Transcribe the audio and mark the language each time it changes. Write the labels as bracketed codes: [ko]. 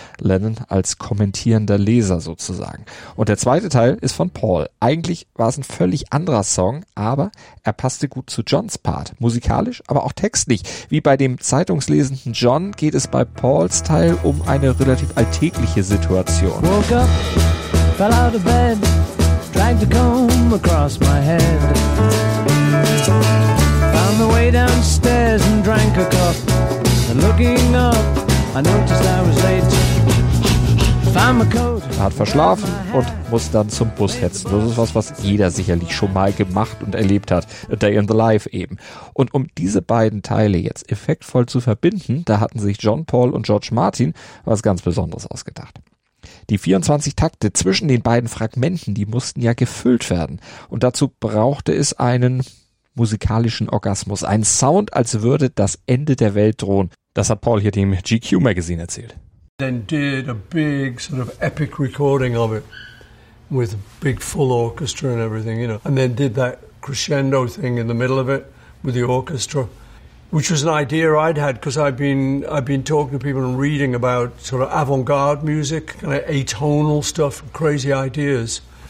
[de] Lennon als kommentierender Leser sozusagen. Und der zweite Teil ist von Paul. Eigentlich war es ein völlig anderer Song, aber er passte gut zu Johns Part. Musikalisch, aber auch textlich. Wie bei dem zeitungslesenden John geht es bei Pauls Teil um eine relativ alltägliche Situation. [en] Woke up, fell out of bed, dragged the comb across my head. Found the way downstairs and drank a cup. And looking up, I noticed I was late. Found my coat. [de] Er hat verschlafen und muss dann zum Bus hetzen. Das ist was, was jeder sicherlich schon mal gemacht und erlebt hat. A Day in the Life eben. Und um diese beiden Teile jetzt effektvoll zu verbinden, da hatten sich John Paul und George Martin was ganz Besonderes ausgedacht. Die 24 Takte zwischen den beiden Fragmenten, die mussten ja gefüllt werden. Und dazu brauchte es einen musikalischen Orgasmus. Einen Sound, als würde das Ende der Welt drohen. Das hat Paul hier dem GQ Magazine erzählt. [en] Then did a big sort of epic recording of it with a big full orchestra and everything, you know. And then did that crescendo thing in the middle of it with the orchestra. Which was an idea I'd had, because I'd been talking to people and reading about sort of avant-garde music, kind of atonal stuff, crazy ideas.